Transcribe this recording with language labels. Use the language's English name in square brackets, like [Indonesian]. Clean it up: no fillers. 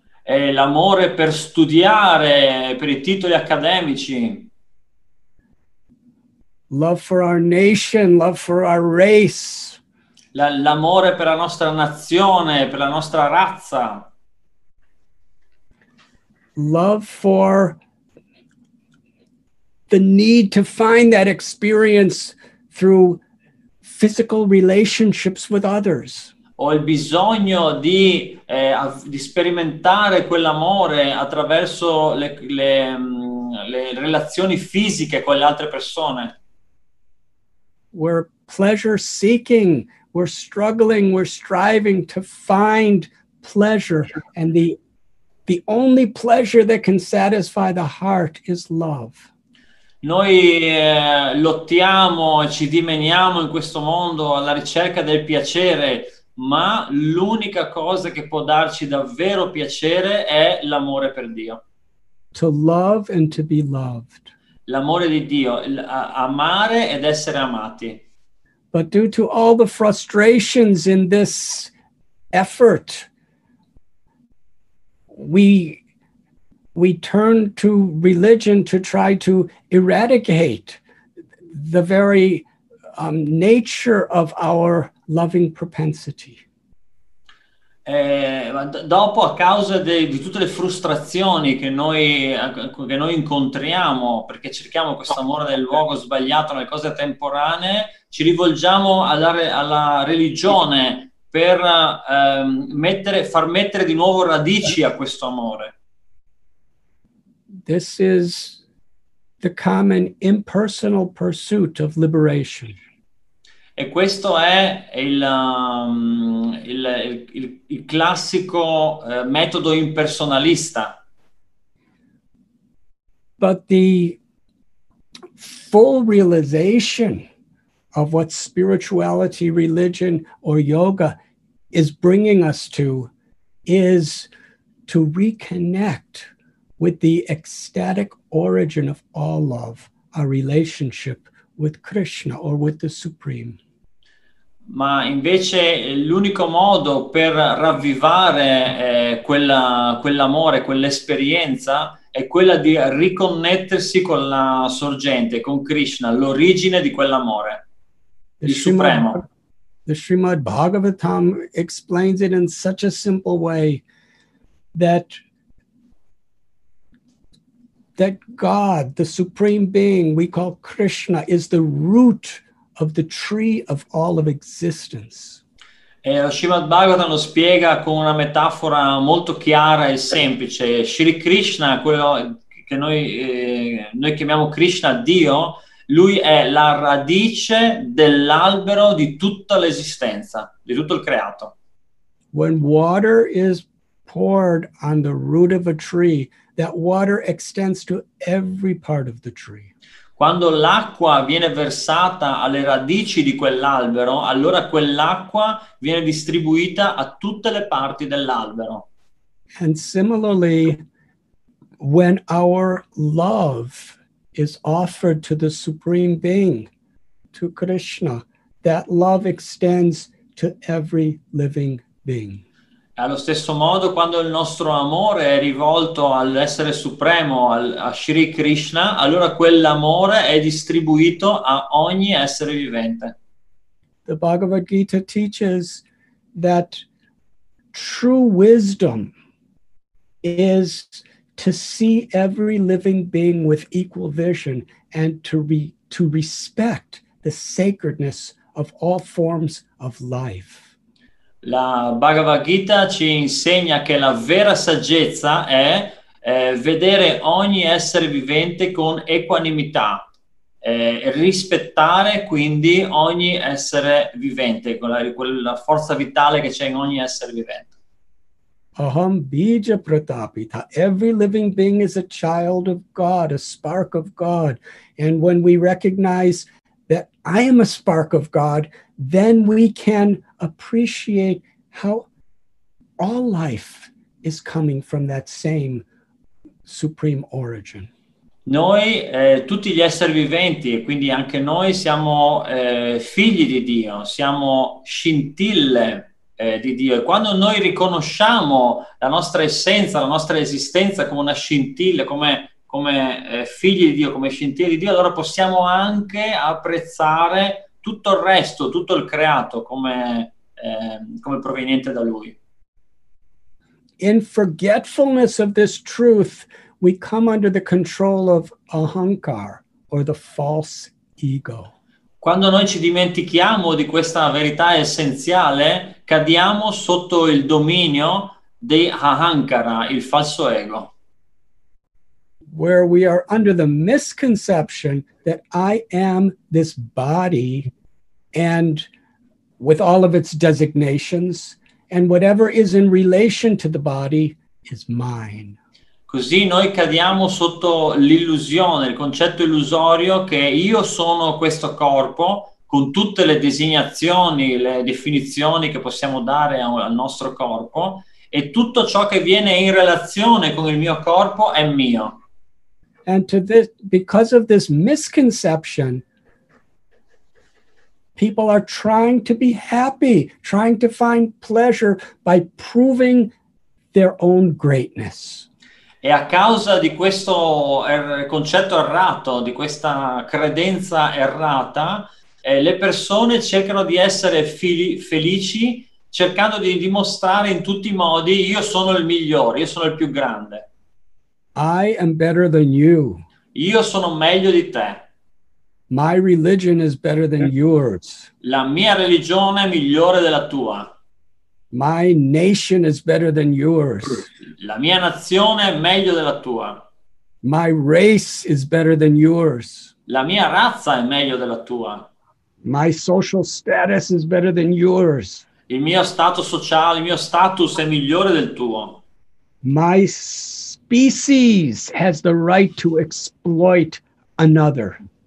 [Italian] E l'amore per studiare, per i titoli accademici. [English] Love for our nation, love for our race. [Italian] L'amore per la nostra nazione, per la nostra razza. [English] Love for the need to find that experience through physical relationships with others. [Italian] Ho il bisogno di sperimentare quell'amore attraverso le relazioni fisiche con le altre persone. [English] We're pleasure seeking, we're struggling, we're striving to find pleasure, and the only pleasure that can satisfy the heart is love. [Italian] Noi lottiamo e ci dimeniamo in questo mondo alla ricerca del piacere, ma l'unica cosa che può darci davvero piacere è l'amore per Dio. [English] To love and to be loved. [Italian] L'amore di Dio, amare ed essere amati. [English] But due to all the frustrations in this effort, we turn to religion to try to eradicate the very nature of our loving propensity. [Italian] Dopo, a causa di tutte le frustrazioni che noi incontriamo, perché cerchiamo questo amore nel luogo sbagliato, nelle cose temporanee, ci rivolgiamo alla religione per far mettere di nuovo radici a questo amore. [English] This is the common impersonal pursuit of liberation. [Italian] E questo è il classico metodo impersonalista. [English] But the full realization of what spirituality, religion, or yoga is bringing us to is to reconnect with the ecstatic origin of all love, our relationship with Krishna or with the Supreme. [Italian] Ma invece l'unico modo per ravvivare quell'amore, quell'esperienza, è quella di riconnettersi con la sorgente, con Krishna, l'origine di quell'amore, il Supremo. [English] The Srimad Bhagavatam explains it in such a simple way that God, the Supreme Being we call Krishna, is the root of the tree of all of existence. [Italian] E Srimad Bhagavatam lo spiega con una metafora molto chiara e semplice. Shri Krishna, quello che noi chiamiamo Krishna, Dio, lui è la radice dell'albero di tutta l'esistenza, di tutto il creato. [English] When water is poured on the root of a tree, that water extends to every part of the tree. [Italian] Quando l'acqua viene versata alle radici di quell'albero, allora quell'acqua viene distribuita a tutte le parti dell'albero. [English] And similarly, when our love is offered to the Supreme Being, to Krishna, that love extends to every living being. [Italian] Allo stesso modo, quando il nostro amore è rivolto all'essere supremo, a Shri Krishna, allora quell'amore è distribuito a ogni essere vivente. [English] The Bhagavad Gita teaches that true wisdom is to see every living being with equal vision and to respect the sacredness of all forms of life. [Italian] La Bhagavad Gita ci insegna che la vera saggezza è vedere ogni essere vivente con equanimità, rispettare quindi ogni essere vivente, quella forza vitale che c'è in ogni essere vivente. [Sanskrit] Aham bija pratapita. [English] Every living being is a child of God, a spark of God. And when we recognize that I am a spark of God, then we can appreciate how all life is coming from that same supreme origin. [Italian] Noi, tutti gli esseri viventi, e quindi anche noi, siamo figli di Dio, siamo scintille di Dio. E quando noi riconosciamo la nostra essenza, la nostra esistenza come una scintilla, come figli di Dio, come scintille di Dio, allora possiamo anche apprezzare tutto il resto, tutto il creato, come proveniente da Lui. [English] In forgetfulness of this truth, we come under the control of ahankar, or the false ego. [Italian] Quando noi ci dimentichiamo di questa verità essenziale, cadiamo sotto il dominio di ahankara, il falso ego. [English] Where we are under the misconception that I am this body and with all of its designations, and whatever is in relation to the body is mine. [Italian] Così noi cadiamo sotto l'illusione, il concetto illusorio che io sono questo corpo con tutte le designazioni, le definizioni che possiamo dare al nostro corpo, e tutto ciò che viene in relazione con il mio corpo è mio. [English] And to this, because of this misconception, people are trying to be happy, trying to find pleasure by proving their own greatness. [Italian] E a causa di questo concetto errato, di questa credenza errata, le persone cercano di essere felici, cercando di dimostrare in tutti i modi: io sono il migliore, io sono il più grande. [English] I am better than you. [Italian] Io sono meglio di te. [English] My religion is better than yours. [Italian] La mia religione è migliore della tua. [English] My nation is better than yours. [Italian] La mia nazione è meglio della tua. [English] My race is better than yours. [Italian] La mia razza è meglio della tua. [English] My social status is better than yours. [Italian] Il mio stato sociale, il mio status è migliore del tuo. [English] My species has the right to exploit another.